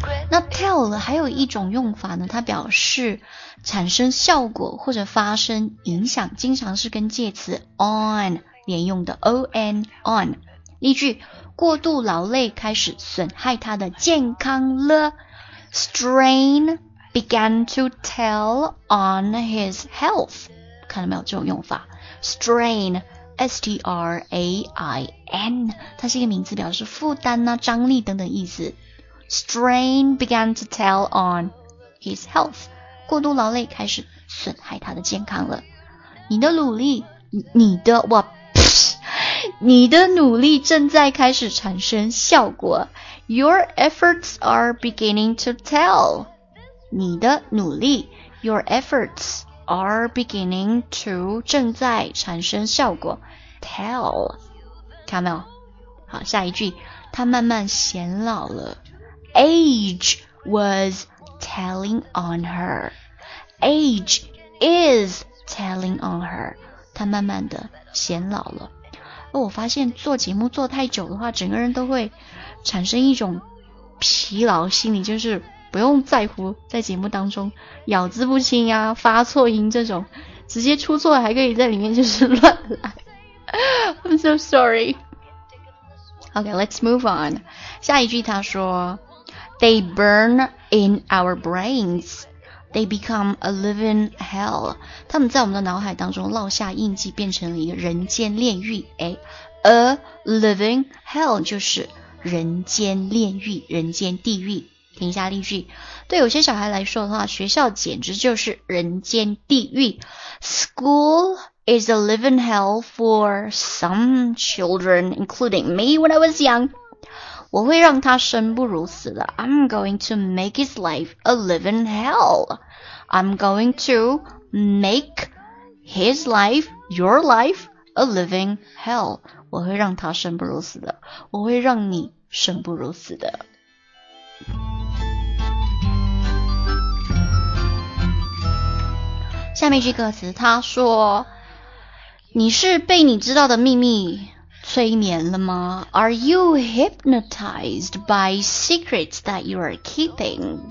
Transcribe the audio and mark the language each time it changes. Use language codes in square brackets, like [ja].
[zh] 那 tell 还有一种用法呢，它表示产生效果或者发生影响，经常是跟介词 on 连用的， on on。例句，过度劳累开始损害他的健康了。 [en] Strain began to tell on his health. [zh] 看到没有这种用法。 Strain, S-T-R-A-I-N, 它是一个名词，表示负担啊、张力等等意思。 [en] Strain began to tell on his health. [zh] 过度劳累开始损害他的健康了。你的努力，你的我。你的努力正在开始产生效果。 [en] Your efforts are beginning to tell. [zh] 你的努力， [en] Your efforts are beginning to [zh] 正在产生效果。 Tell， 看到没有？好，下一句，他慢慢显老了。 [en] Age was telling on her. Age is telling on her. [zh] 他慢慢的显老了。我发现做节目做太久的话，整个人都会产生一种疲劳心理，就是不用在乎在节目当中咬字不清啊、发错音这种，直接出错还可以在里面就是乱来。 [en] I'm so sorry. Okay, let's move on. [zh] 下一句他说 [en] They burn in our brains. They become a living hell. [zh] 他们在我们的脑海当中烙下印记，变成了一个人间炼狱。 [en] A living hell [zh] 就是人间炼狱，人间地狱。听一下例句，对有些小孩来说的话，学校简直就是人间地狱。 [en] School is a living hell for some children, including me when I was young. [zh] 我会让他生不如死的。 [en] I'm going to make his life a living hell. I'm going to make his life, your life, a living hell. [zh] 我会让他生不如死的，我会让你生不如死的。下面这个词，他说：“你是被你知道的秘密催眠了吗 ？” [en] Are you hypnotized by secrets that you are keeping？